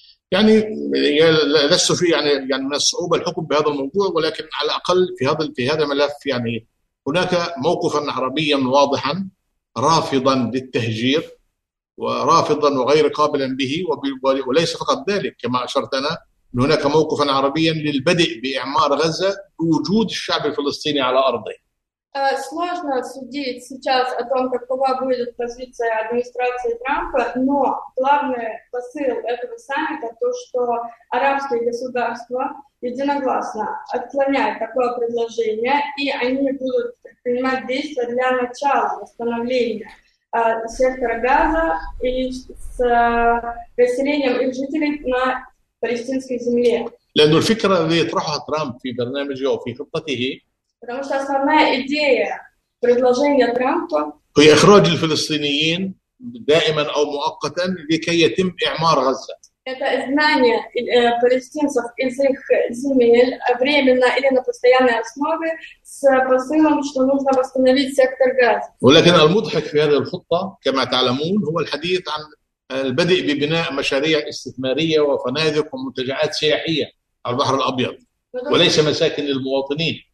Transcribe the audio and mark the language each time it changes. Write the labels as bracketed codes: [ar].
[ar] يعني لست في يعني من الصعوبة الحكم بهذا الموضوع، ولكن على الأقل في هذا الملف يعني هناك موقفا عربيا واضحا رافضا للتهجير ورافضا وغير قابلا به، وليس فقط ذلك كما أشرت أنا هناك موقفا عربيا للبدء بإعمار غزة بوجود الشعب الفلسطيني على أرضه. [ru] Сложно судить сейчас о том, какова будет позиция администрации Трампа, но главный посыл этого саммита то, что арабские государства единогласно отклоняют такое предложение, и они будут предпринимать действия для начала восстановления сектора Газа и с расселением их жителей на палестинской земле. [ar] لأن الفكرة التي طرحها ترامب في برنامجه وفي خطته. [ru] Потому что основная идея предложения Трампа [ar] هي إخراج الفلسطينيين دائما أو مؤقتا لكي يتم إعمار غزة. [ru] Это изгнание палестинцев из их земель временно или на постоянной основе с посылом, что нужно восстановить сектор Газа. [ar] ولكن المضحك في هذه الخطة كما تعلمون هو الحديث عن البدء ببناء مشاريع استثمارية وفنادق ومنتجعات سياحية على البحر الأبيض وليس مساكن للمواطنين.